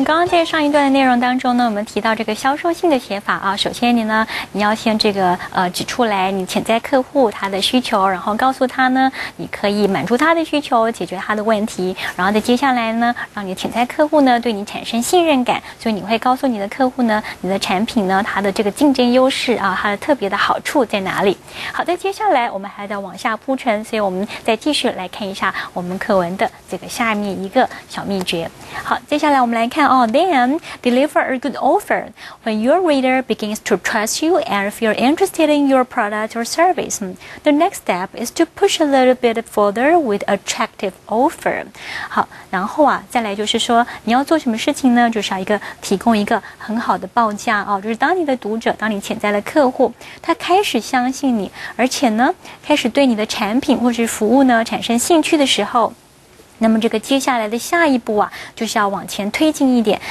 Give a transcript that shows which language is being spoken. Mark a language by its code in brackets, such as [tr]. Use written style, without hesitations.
[zh] 在上一段的内容当中呢，我们提到这个销售性的写法啊，首先你要先这个指出来你潜在客户他的需求，然后告诉他呢你可以满足他的需求，解决他的问题，然后再接下来呢让你潜在客户呢对你产生信任感，所以你会告诉你的客户呢你的产品呢它的这个竞争优势啊，它的特别的好处在哪里。好，在接下来我们还得往下铺陈，所以我们再继续来看一下我们课文的这个下面一个小秘诀。好，接下来我们来看 [en] Then deliver a good offer. When your reader begins to trust you and feel interested in your product or service, the next step is to push a little bit further with attractive offer. [zh] 好，然后啊，再来就是说，你要做什么事情呢？就是要一个提供一个很好的报价啊，就是当你的读者，当你潜在的客户，他开始相信你，而且呢，开始对你的产品或是服务呢产生兴趣的时候。那么这个接下来的下一步啊，就是要往前推进一点。